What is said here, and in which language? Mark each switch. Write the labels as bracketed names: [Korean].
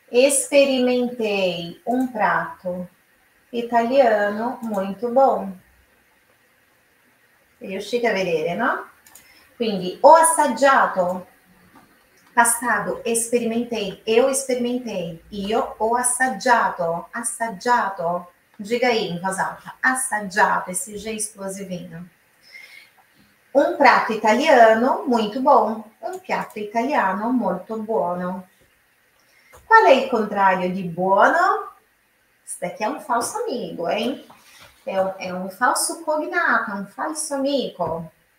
[Italian] Sperimentei un piatto italiano molto buono. Riuscite a vedere, no? Quindi ho assaggiato, passato, sperimentei, io sperimentei, io ho assaggiato, assaggiato. [Portuguese] Diga aí em voz alta, assaggiato, esse G explosivinho. Um prato italiano muito bom. [Italian] Um piatto italiano molto buono. Qual è il contrario di buono? Questo [Portuguese] aqui [Italian] è un falso amico, hein? È un falso cognato, un falso amico.